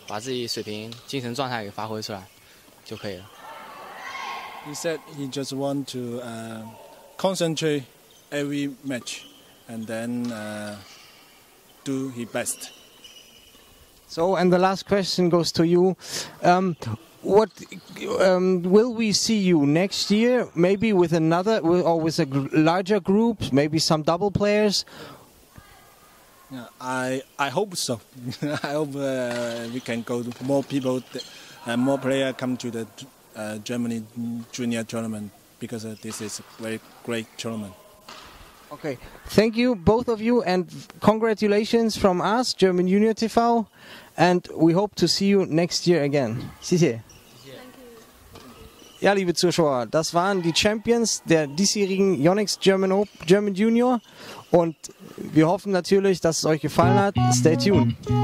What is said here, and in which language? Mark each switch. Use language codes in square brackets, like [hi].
[zh] 我就只要把自己水平发挥出来吧，就是只要还是有信心去打好每场球就行了，只要这些还是想的简单一点嘛，把自己水平精神状态给发挥出来就可以了。 [en] He said he just want to concentrate every match and then do his best. So, and the last question goes to you. What will we see you next year? Maybe with another or with a larger group, maybe some double players? Yeah, I hope so. I hope we can go to more people and more players come to the Germany Junior Tournament, because this is a very great tournament. Okay, thank you both of you, and congratulations from us, German Junior TV, and we hope to see you next year again. [zh] 谢谢. [de] Ja, liebe Zuschauer, das waren die Champions der diesjährigen Yonex German Junior, und wir hoffen natürlich, dass es euch gefallen hat. [en] Stay tuned.